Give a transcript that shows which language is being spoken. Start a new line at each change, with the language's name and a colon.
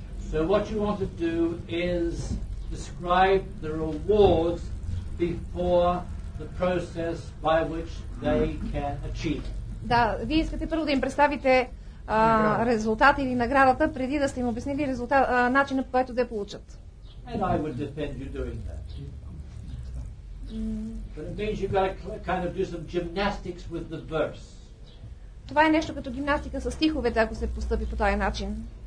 English: So what you want to do is describe the rewards before the process by which they can achieve.
Bulgarian: Да, вие искате първо да им представите резултат или наградата, преди да сте им обяснили резултат, начинът по който да я получат.
English: And I would defend you doing that. But it means you've got to kind of do some gymnastics with the verse.
Bulgarian: Това е нещо като гимнастика с стиховете, ако се постъпи по този начин.